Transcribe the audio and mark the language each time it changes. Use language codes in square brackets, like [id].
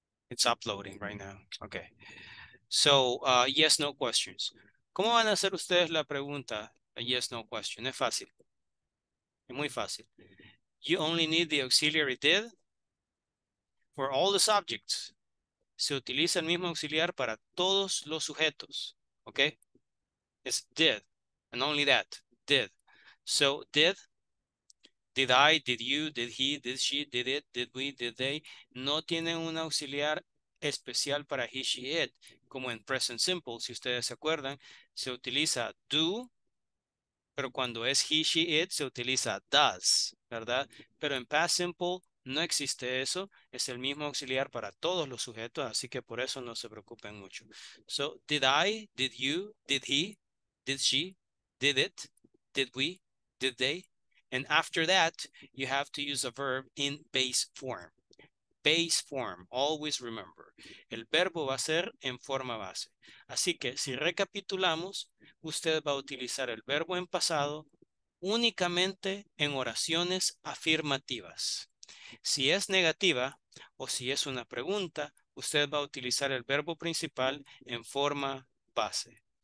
[en] It's uploading right now. Okay. So, yes, no questions. [es] ¿Cómo van a hacer ustedes la pregunta? [en] A yes, no question. [es] Es fácil. Es muy fácil. [en] You only need the auxiliary did for all the subjects. [es] Se utiliza el mismo auxiliar para todos los sujetos. [en] Okay? It's did. And only that. Did. So, did. Did I, did you, did he, did she, did it, did we, did they. [es] No tienen un auxiliar especial para he, she, it. Como en present simple, si ustedes se acuerdan, se utiliza do, pero cuando es he, she, it, se utiliza does, ¿verdad? Pero en past simple no existe eso. Es el mismo auxiliar para todos los sujetos, así que por eso no se preocupen mucho. [en] So, did I, did you, did he, did she, did it, did we, did they. And after that, you have to use a verb in base form. Base form, always remember. [es] El verbo va a ser en forma base. Así que si recapitulamos, usted va a utilizar el verbo en pasado únicamente en oraciones afirmativas. Si es negativa o si es una pregunta, usted va a utilizar el verbo principal en forma base.